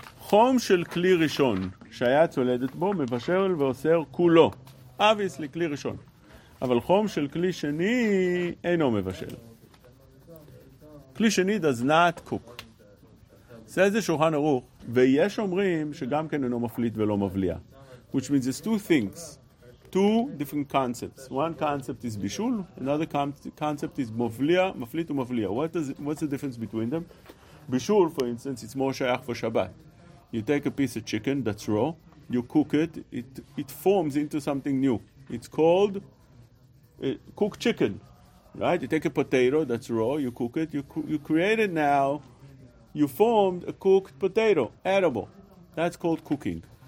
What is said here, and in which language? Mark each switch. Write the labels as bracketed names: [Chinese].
[Hebrew] Chom shel Kli Rishon, שהיה צולדת בו, מבשל ועושר כולו. Obviously, Kli Rishon. אבל חום של כלי שני אינו מבשל. כלי שני does not cook. זה איזה שולחן ערוך, ויש אומרים שגם כן אינו מפליט ולא מבליע. [English] Which means it's two things, two different concepts. One concept is בישול, another concept is מבליע, מפליט ומבליע. What's the difference between them? בישול, for instance, it's more שייך for שבת. You take a piece of chicken, that's raw, you cook it, it forms into something new. It's called... cook chicken, right? You take a potato that's raw, you cook it, you create it now, you formed a cooked potato, edible. That's called cooking.